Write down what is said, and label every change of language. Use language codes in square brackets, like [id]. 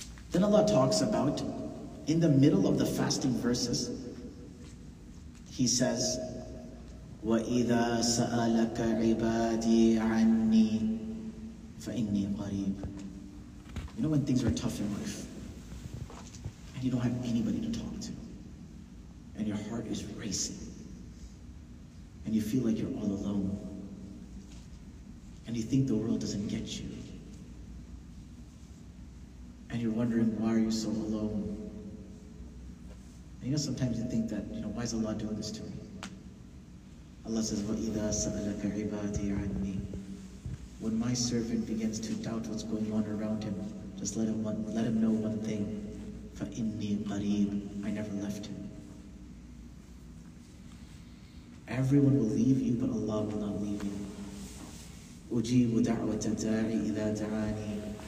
[en] Then Allah talks about, in the middle of the fasting verses, He says, [ar] وَإِذَا سَأَلَكَ عِبَادِي عَنِّي فَإِنِّي قَرِيبٌ. [en] You know when things are tough in life, and you don't have anybody to talk to, and your heart is racing, and you feel like you're all alone, and you think the world doesn't get you, and you're wondering, why are you so alone? And you know, sometimes you think that, you know, why is Allah doing this to me? Allah says, [ar] وَإِذَا سَأَلَكَ عِبَادِي عَنِّي. [en] When my servant begins to doubt what's going on around him, just let him know one thing. [ar] فَإِنِّي قَرِيبٌ. [en] I never left him. Everyone will leave you, but Allah will not leave you. [ar] أُجِيبُ دَعْوَةَ دَاعِي إِذَا دَعَانِي.